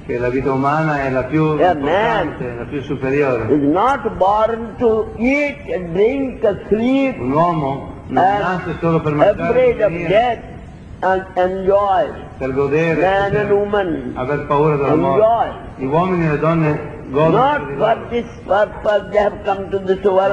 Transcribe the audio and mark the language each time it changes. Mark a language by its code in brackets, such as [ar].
[it] Che la vita umana è la più importante, la più superiore. [en] Is not born to eat, drink, sleep, [it] un uomo non nasce solo per mangiare e dormire. [en] And enjoy. [it] Per godere, [en] man and woman. [it] Aver paura della [en] enjoy. [it] Morte. Gli uomini e le donne godono. [en] Not for this purpose they have come to this world.